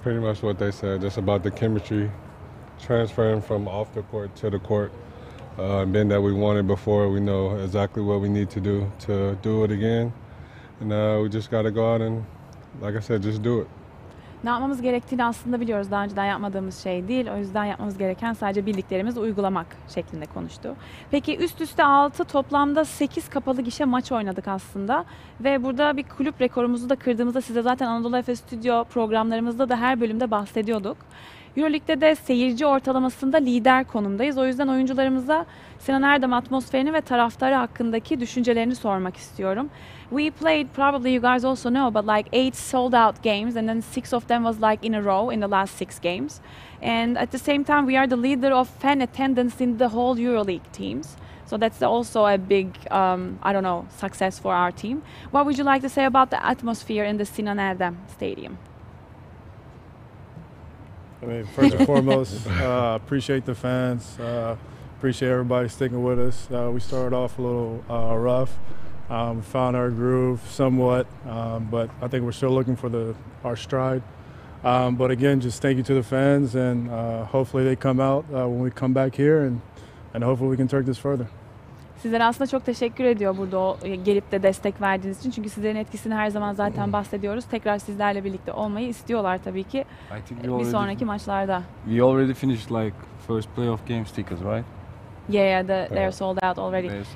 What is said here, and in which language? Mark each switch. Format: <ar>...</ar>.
<en>pretty much what they said, just about the chemistry transferring from off the court to the court, being that we won it before, we know exactly what we need to do it again, and we just gotta go out and, like I said, just do it.</en> <tr>Ne yapmamız gerektiğini aslında biliyoruz, daha önceden yapmadığımız şey değil. O yüzden yapmamız gereken sadece bildiklerimizi uygulamak şeklinde konuştu. Peki üst üste 6, toplamda 8 kapalı gişe maç oynadık aslında. Ve burada bir kulüp rekorumuzu da kırdığımızda size zaten Anadolu Efes Stüdyo programlarımızda da her bölümde bahsediyorduk. Euroleague'de de seyirci ortalamasında lider konumdayız. O yüzden oyuncularımıza Sinan Erdem atmosferini ve taraftarı hakkındaki düşüncelerini sormak istiyorum.</tr> <en>We played, probably you guys also know, but like 8 sold out games and then 6 of them was like in a row in the last 6 games. And at the same time we are the leader of fan attendance in the whole Euroleague teams. So that's also a big, I don't know, success for our team. What would you like to say about the atmosphere in the Sinan Erdem Stadium? I mean, first and foremost, appreciate the fans, appreciate everybody sticking with us. We started off a little rough, found our groove somewhat, but I think we're still looking for our stride. But again, just thank you to the fans, and hopefully they come out when we come back here, and hopefully we can take this further.</en> <tr>Sizlere aslında çok teşekkür ediyor burada gelip de destek verdiğiniz için. Çünkü sizlerin etkisini her zaman zaten bahsediyoruz. Tekrar sizlerle birlikte olmayı istiyorlar tabii ki bir sonraki maçlarda.</tr> <en>We already finished like first playoff game stickers, right? Yeah, they're sold out already.</en>